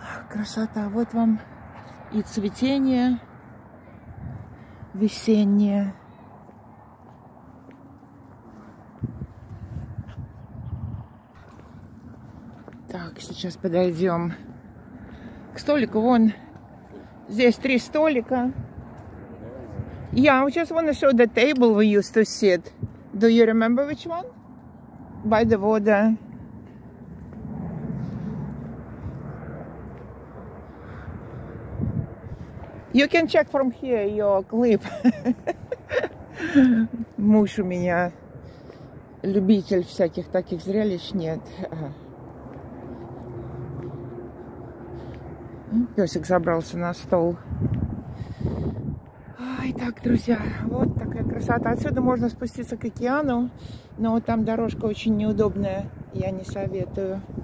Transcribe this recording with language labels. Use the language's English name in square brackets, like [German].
[Russian] Красота, вот вам и цветение весеннее. Так, сейчас подойдем к столику. Вон здесь три столика. [English] Yeah, I just want to show the table we used to sit. Do you remember which one? By the water. You can check from here your clip. [Russian] Муж у меня любитель всяких таких зрелищ, нет. Песик забрался на стол. Итак, друзья, вот такая красота. Отсюда можно спуститься к океану, но там дорожка очень неудобная, я не советую.